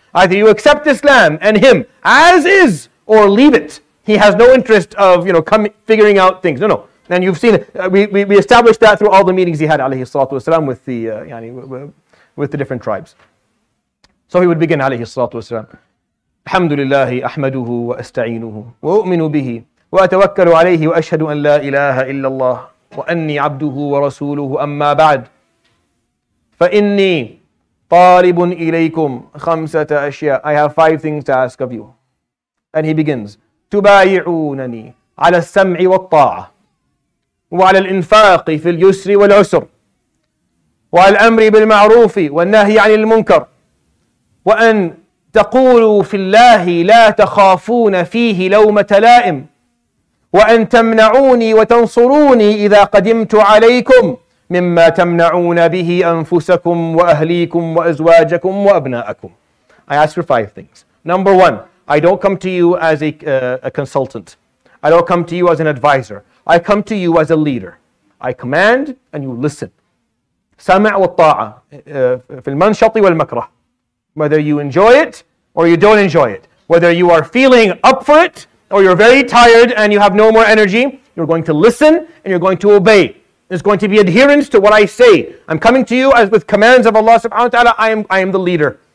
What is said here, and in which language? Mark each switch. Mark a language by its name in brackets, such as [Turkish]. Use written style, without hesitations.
[English] Either you accept Islam and him as is, or leave it. He has no interest of, figuring out things. No, no. And you've seen it. We established that through all the meetings he had, alayhi salatu wasalam, with the with the different tribes. So he would begin, alayhi salatu wasalam. [Arabic] الحمد لله أحمده وأستعينه وأؤمن به وأتوكل عليه وأشهد أن لا إله إلا الله وأني عبده ورسوله أما بعد فإني طالب إليكم خمسة أشياء. [English] I have 5 things to ask of you. And he begins. [Arabic] تبايعونني على السمع والطاعة وعلى الإنفاق في اليسر والعسر وعلى الأمر بالمعروف والنهي عن المنكر وأن تقولوا في الله لا تخافون فيه لومة لائم وأن تمنعوني وتنصروني إذا قدمت عليكم مما تمنعون به أنفسكم وأهليكم وأزواجكم وأبناءكم. [English] I ask for 5 things. Number one, I don't come to you as a consultant. I don't come to you as an advisor. I come to you as a leader. I command and you listen. [Arabic] سمع والطاعة في المنشط والمكره. [English] Whether you enjoy it or you don't enjoy it. Whether you are feeling up for it or you're very tired and you have no more energy, you're going to listen and you're going to obey. There's going to be adherence to what I say. I'm coming to you as with commands of Allah subhanahu wa ta'ala. I am the leader.